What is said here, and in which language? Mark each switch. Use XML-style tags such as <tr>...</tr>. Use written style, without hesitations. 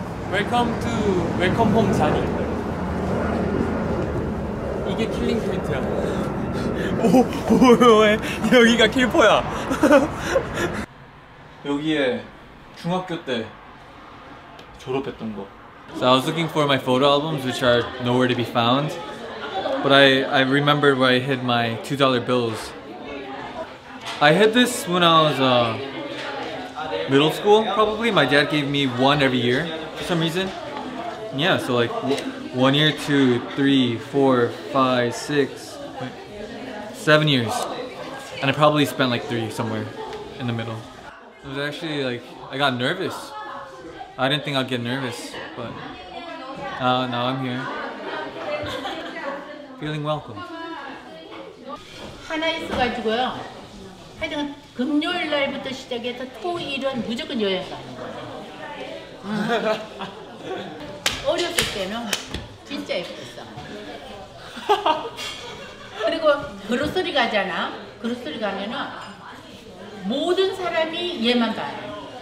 <en>웰컴 투 웰컴 홈</en> <ko>자니 이게 킬링 포인트야 오오왜 여기가 킬포야 여기에 중학교 때 졸업했던 거</ko> <en>So I was looking for my photo albums which are nowhere to be found but I remembered where I hid my $2 bills I had this when I was middle school, probably. My dad gave me one every year for some reason. Yeah, so like one year, two, three, four, five, six, seven years. And I probably spent like three somewhere in the middle. It was actually like, I got nervous. I didn't think I'd get nervous, but now I'm here. Feeling welcome.</en> <ko>하나 있어가지고요. 하여튼 금요일 날부터 시작해서 토, 일은 무조건 여행 가는 거예요. 어렸을 때는 진짜 예뻤어. 그리고 그로서리 가잖아. 그로서리 가면은 모든 사람이 얘만 봐요.</ko>